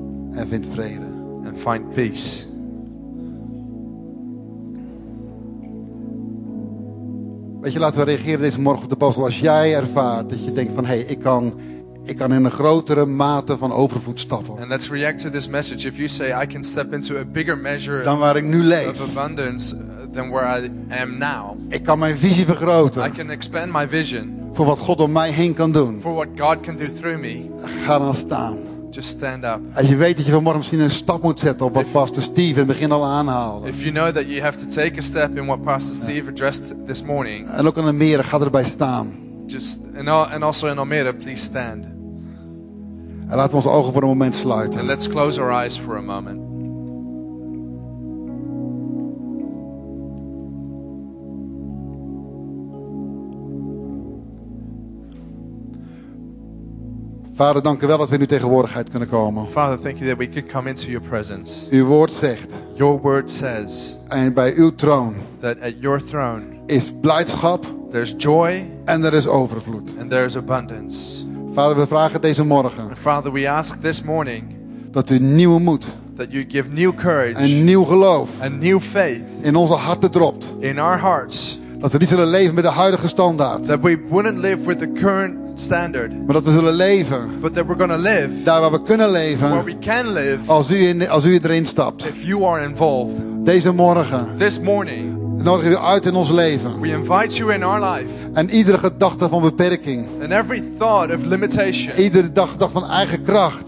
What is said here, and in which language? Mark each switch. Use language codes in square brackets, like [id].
[nl] En vind vrede. [en] And find peace. [nl] Weet je, laten we reageren deze morgen op de boodschap. Als jij ervaart dat je denkt van, hey, ik kan in een grotere mate van overvloed stappen. [en] And let's react to this message. If you say I can step into a bigger measure [nl] dan waar ik nu leef. [en] Of abundance than where I am now. [nl] Ik kan mijn visie vergroten. [en] I can expand my vision. [nl] Voor wat God om mij heen kan doen. [en] For what God can do through me. [nl] Ga dan staan. [en] Just stand up. [nl] Als je weet dat je vanmorgen misschien een stap moet zetten op wat Pastor Steve in het begin al aanhaalde. [en] If you know that you have to take a step in what Pastor Steve addressed this morning. [nl] En ook in Almere, ga erbij staan. [en] Just and also in Almere, please stand. [nl] En laten we onze ogen voor een moment sluiten. [en] And let's close our eyes for a moment. [nl] Vader, dank u wel dat we in uw tegenwoordigheid kunnen komen. [en] Father, thank you that we could come into your presence. [nl] Uw woord zegt. [en] Your word says. [nl] En bij uw troon. [en] That at your throne. [nl] Is blijdschap. [en] There's joy. [nl] En er is overvloed. [en] And there's abundance. [nl] Vader, we vragen deze morgen. [en] And Father, we ask this morning. [nl] Dat u nieuwe moed. [en] That you give new courage. [nl] En nieuw geloof. [en] And new faith. [nl] In onze harten dropt. [en] In our hearts. [nl] Dat we niet zullen leven met de huidige standaard. [en] That we wouldn't live with the current standard. [nl] Maar dat we zullen leven. [en] But that we're gonna live. [nl] Daar waar we kunnen leven. [en] Where we can live. [nl] Als u erin stapt. [en] If you are involved. [nl] Deze morgen. [en] This morning. [nl] Nodigen we u uit in ons leven. [en] We invite you in our life. [nl] En iedere gedachte van beperking. [en] And every thought of limitation. [nl] Iedere gedachte van eigen kracht.